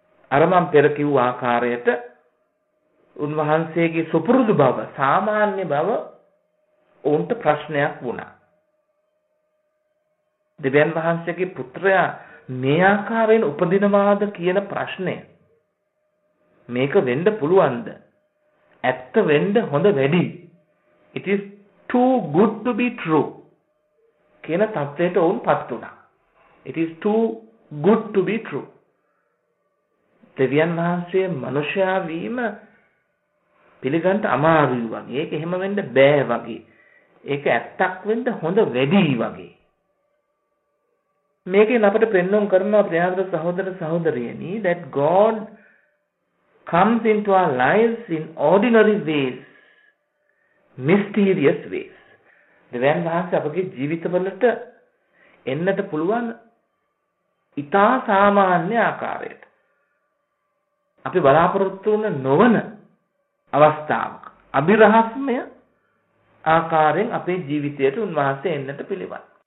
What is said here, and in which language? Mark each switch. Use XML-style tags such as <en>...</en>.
<si>අර මම පෙර කිව්ව ආකාරයට උන්වහන්සේගේ සුපුරුදු බව, සාමාන්‍ය බව ඔවුන්ට ප්‍රශ්නයක් වුණා. දෙවියන් වහන්සේගේ පුත්‍රයා මේ ආකාරයෙන් උපදිනවාද කියන ප්‍රශ්නය, මේක වෙන්න පුළුවන්ද? ඇත්ත වෙන්න හොඳ වැඩි.</si> <en>It is too good to be true</en> <si>කියන තත්ත්වයට ඔවුන් පත් වුණා.</si> <en>It is too good to be true.</en> <si>දෙවියන් වහන්සේ මනුෂ්‍යයා වීම පිළිගන්න අමාරුයි වගේ, ඒක එහෙම වෙන්න බෑ වගේ, ඒක ඇත්තක් වෙන්න හොඳ වැඩි වගේ. මේකෙන් අපට පෙන්වුම් කරනවා ප්‍රියතර සහෝදර සහෝදරියනි,</si> <en>that God comes into our lives in ordinary ways, mysterious ways.</en> <si>දෙවියන් වහන්සේ අපගේ ජීවිතවලට එන්නට පුළුවන් ඉතා සාමාන්‍ය ආකාරයට. අපි බලාපොරොත්තු වන නොවන අවස්ථාවක, අභිරහස්මය ආකාරයෙන් අපේ ජීවිතයට උන්වහන්සේ එන්නට පිළිවන්.</si>